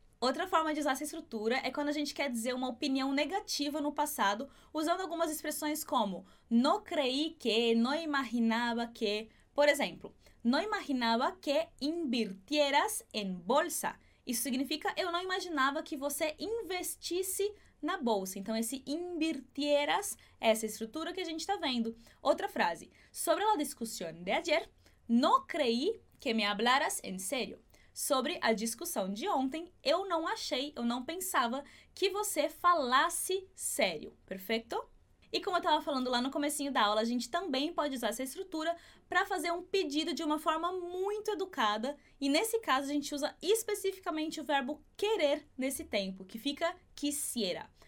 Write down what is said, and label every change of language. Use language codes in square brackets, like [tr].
[pt] Outra forma de usar essa estrutura é quando a gente quer dizer uma opinião negativa no passado, usando algumas expressões como [es] no creí que, no imaginaba que. [pt] Por exemplo, [es] no imaginaba que invirtieras en bolsa. [pt] Isso significa eu não imaginava que você investisse na bolsa. Então, esse invirtieras é essa estrutura que a gente está vendo. Outra frase, [es] sobre la discusión de ayer, no creí que me hablaras en serio. [pt] Sobre a discussão de ontem, eu não pensava que você falasse sério, perfeito? E como eu estava falando lá no comecinho da aula, a gente também pode usar essa estrutura para fazer um pedido de uma forma muito educada. E nesse caso, a gente usa especificamente o verbo querer nesse tempo, que fica quisiera.